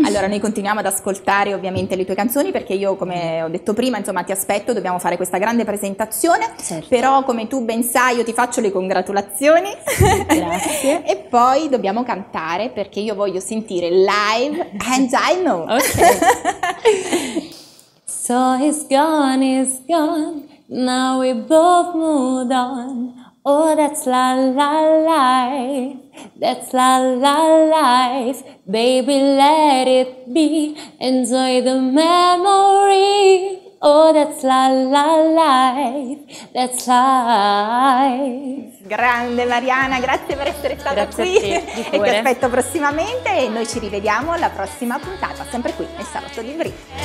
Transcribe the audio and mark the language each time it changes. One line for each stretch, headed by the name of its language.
Italian: Allora, noi continuiamo ad ascoltare ovviamente le tue canzoni, perché io, come ho detto prima, insomma, ti aspetto, dobbiamo fare questa grande presentazione. Certo. Però, come tu ben sai, io ti faccio le congratulazioni. Grazie. E poi dobbiamo cantare, perché io voglio sentire live And I Know. Ok.
English: So it's gone, now we both moved on. Oh, that's la la life, that's la la life. Baby, let it be, enjoy the memory. Oh, that's la la life, that's life.
Italian: Grande Mariana, grazie per essere stata grazie qui. Grazie a te, e ti aspetto prossimamente e noi ci rivediamo alla prossima puntata, sempre qui nel Salotto di Brie.